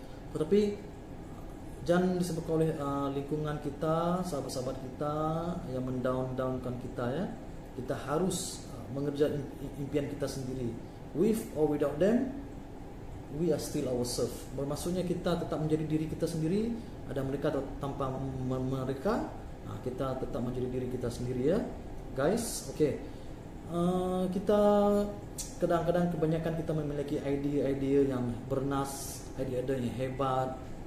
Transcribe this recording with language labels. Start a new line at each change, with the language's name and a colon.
Malay: Tetapi jangan disebabkan oleh lingkungan kita, sahabat-sahabat kita yang mendown-downkan kita, ya. Kita harus mengerjakan impian kita sendiri.
English: With or without them, we are still ourselves.
Malay: Bermaksudnya kita tetap menjadi diri kita sendiri. Ada mereka atau tanpa mereka, kita tetap menjadi diri kita sendiri, ya. Guys, okay. Kita kadang-kadang kebanyakan kita memiliki idea-idea yang bernas, idea-idea yang hebat.